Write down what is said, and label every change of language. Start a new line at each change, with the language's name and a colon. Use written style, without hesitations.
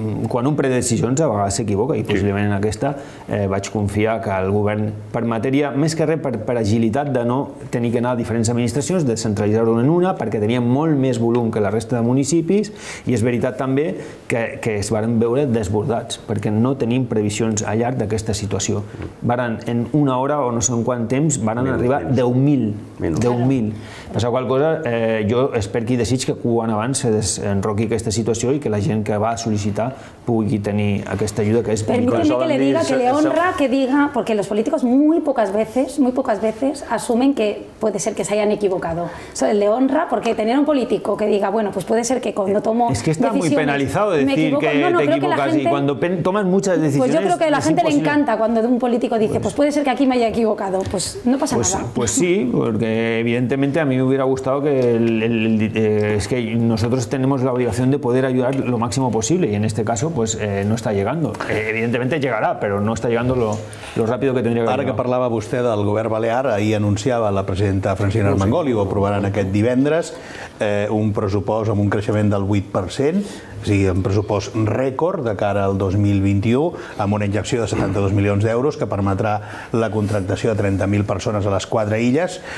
Catalan: quan un pren decisions a vegades s'equivoca i possiblement en aquesta vaig confiar que el govern per matèria, més que res per agilitat de no tenir que anar a diferents administracions, de centralitzar-ho en una perquè tenia molt més volum que la resta de municipis i és veritat també que es van veure desbordats perquè no tenim previsions al llarg d'aquesta situació. Varen en una hora o no sé en quant temps varen arribar 10.000. Per la qual cosa jo espero que hi desig que quan abans s'enroqui aquesta situació i que la gent que va sol·licitar pugui tenir aquesta ajuda que és pública.
Spanish: Permítame que le diga, que le honra, que diga, porque los políticos muy pocas veces asumen que puede ser que se hayan equivocado. Le honra porque tener un político que diga, bueno, pues puede ser que cuando tomo decisiones... Es que está muy penalizado decir que te equivocas y cuando tomas muchas decisiones... Pues yo creo que a la gente le encanta cuando un político dice, pues puede ser que aquí me haya equivocado, pues no pasa nada. Pues sí, porque evidentemente a mí me hubiera gustado que... Es que nosotros tenemos la obligación de poder ayudar lo máximo posible y en este caso pues no está llegando. Evidentemente llegará, pero no está llegando lo rápido que tendría que
Catalan: llegar. Ara que parlava vostè del govern balear, ahir anunciava la presidenta Francina Armengol i ho aprovaran aquest divendres, un pressupost amb un creixement del 8%, és a dir, un pressupost rècord de cara al 2021, amb una injecció de 72 milions d'euros que permetrà la contractació de 30.000 persones a les quatre illes.